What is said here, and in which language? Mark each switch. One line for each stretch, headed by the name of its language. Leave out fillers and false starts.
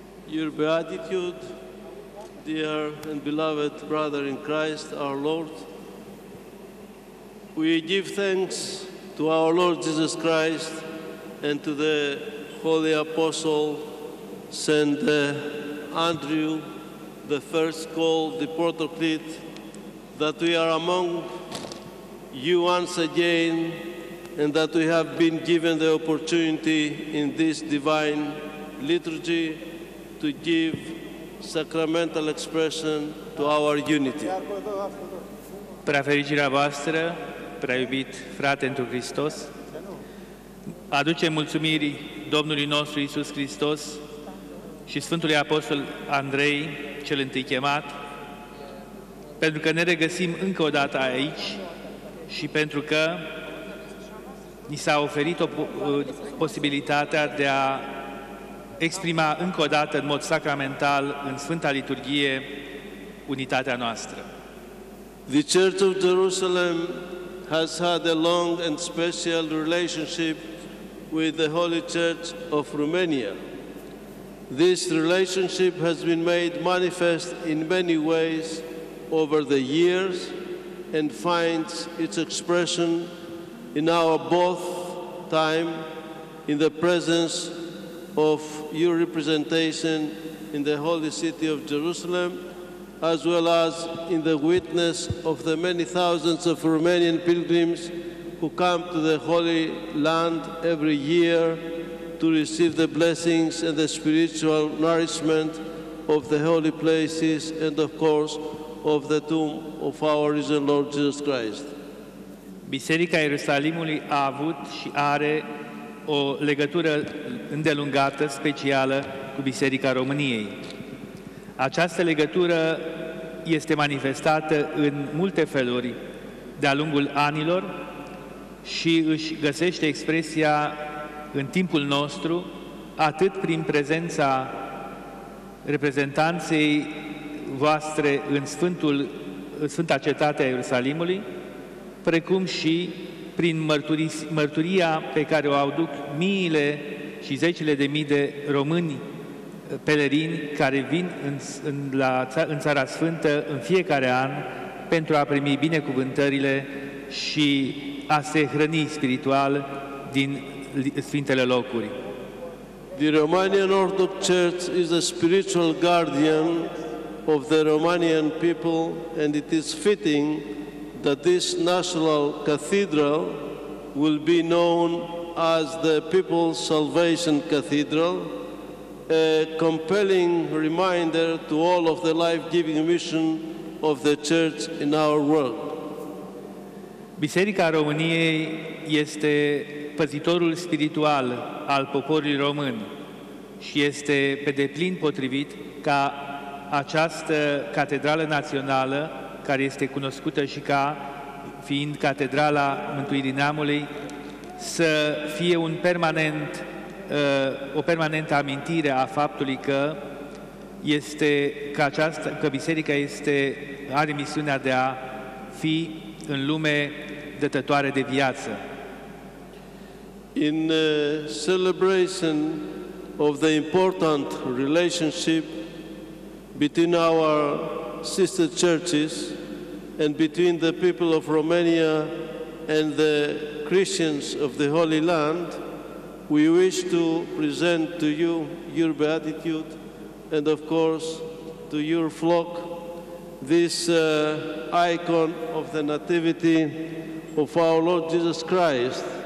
English: Beatitude, dear and beloved brother in Christ, our Lord, we give thanks to our Lord Jesus Christ and to the Holy Apostle Saint Andrew, the first called the Protoclete, that we are among you once again and that we have been given the opportunity in this divine liturgy to give sacramental expression to our unity.
Romanian: Prea fericirea voastră, prea iubit frate întru Hristos, aducem mulțumirii Domnului nostru Iisus Hristos și Sfântului Apostol Andrei, cel întâi chemat, pentru că ne regăsim încă o dată aici și pentru că ni s-a oferit posibilitatea de a exprima încă o dată în mod sacramental în Sfânta Liturghie unitatea noastră.
English: The Church of Jerusalem has had a long and special relationship with the Holy Church of Romania. This relationship has been made manifest in many ways over the years and finds its expression in our both time in the presence of your representation in the holy city of Jerusalem, as well as in the witness of the many thousands of Romanian pilgrims who come to the Holy Land every year to receive the blessings and the spiritual nourishment of the holy places and, of course, of the tomb of our risen Lord Jesus Christ.
Romanian: Biserica Ierusalimului a avut și are o legătură îndelungată, specială, cu Biserica României. Această legătură este manifestată în multe feluri de-a lungul anilor și își găsește expresia în timpul nostru, atât prin prezența reprezentanței voastre în Sfânta Cetate a Ierusalimului, precum și prin mărturia pe care o aduc miile și zecile de mii de români pelerini care vin în Țara Sfântă în fiecare an pentru a primi binecuvântările și a se hrăni spiritual din sfintele locuri.
English: The Romanian Orthodox Church is a spiritual guardian of the Romanian people and it is fitting that this national cathedral will be known as the People's Salvation Cathedral, a compelling reminder to all of the life-giving mission of the Church in our world.
Romanian: Biserica României este păzitorul spiritual al poporului român și este pe deplin potrivit ca această catedrală națională, care este cunoscută și ca fiind Catedrala Mântuirii Neamului, să fie un permanent, o permanentă amintire a faptului că este, că această, că biserica este, are misiunea de a fi în lume dătătoare de viață.
English: In celebration of the important relationship between our sister churches and between the people of Romania and the Christians of the Holy Land, we wish to present to you your beatitude and of course to your flock this icon of the Nativity of our Lord Jesus Christ.